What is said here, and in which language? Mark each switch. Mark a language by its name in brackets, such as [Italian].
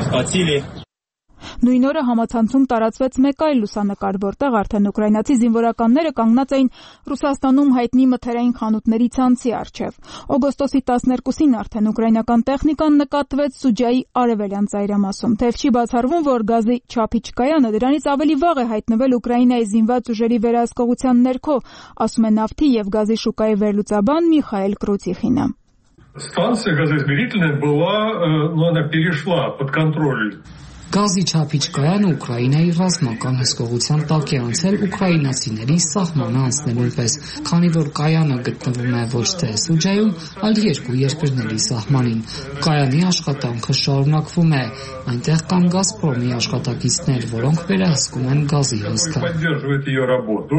[Armenian] Նույն օրը համացանցում տարածվեց մեկ այլ լուսանկար, որտեղ արդեն ուկրաինացի զինվորականները կանգնած էին Ռուսաստանում հայտնի մթերային խանութների ցանցի առջև։ Օգոստոսի 12-ին արդեն ուկրաինական տեխնիկան նկատվեց Սուջայի արևելյան ծայրամասում, թեև չի բացառվում, որ գազի չափիչ կայանը դրանից ավելի վաղ է հայտնվել Ուկրաինայի զինված ուժերի վերահսկողության ներքո, ասում է նավթի և գազի շուկայի վերլուծաբան Միխայել Կրուցիխինը։ [Russian] Станция газоизмерительная была, но она перешла под контроль. [Armenian] Գազի չափիչ կայան Ուկրաինայի ռազմական հսկողության տակ է անցել ուկրաինացիների սահմանը անցնելուն պես, քանի որ կայանը գտնվում է ոչ թե Սուջայում, այլ երկու երկրների սահմանին։ Կայանի աշխատանքը շարունակվում է, այնտեղ կան Գազպրոմի աշխատակիցներ, որոնք վերահսկում են գազի հսկը։